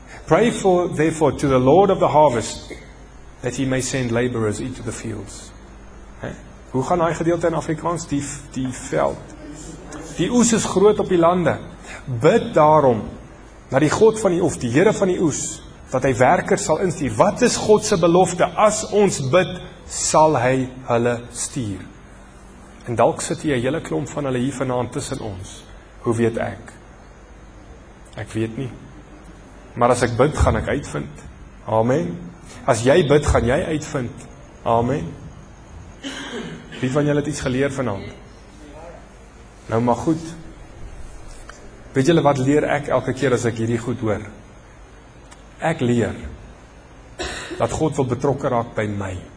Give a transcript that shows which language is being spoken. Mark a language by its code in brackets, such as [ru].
[en] Pray for, therefore, to the Lord of the harvest, that he may send laborers into the fields. [af] He? Hoe gaan hy gedeelte in Afrikaans? Die veld. Die oes is groot op die lande. Bid daarom, dat die God van die, of die Here van die oes, dat hy werkers sal instuur. Wat is Godse belofte? As ons bid, sal hy hulle stuur. En dalk sit hier 'n hele klomp van hulle hier vanaand tussen ons. Hoe weet ek? Ek weet nie. Maar as ek bid, gaan ek uitvind. Amen. As jy bid, gaan jy uitvind. Amen. Wie van julle het iets geleer vanaand? Nou maar goed. Weet julle wat leer ek elke keer as ek hierdie goed hoor? Ek leer dat God wil betrokke raak by my.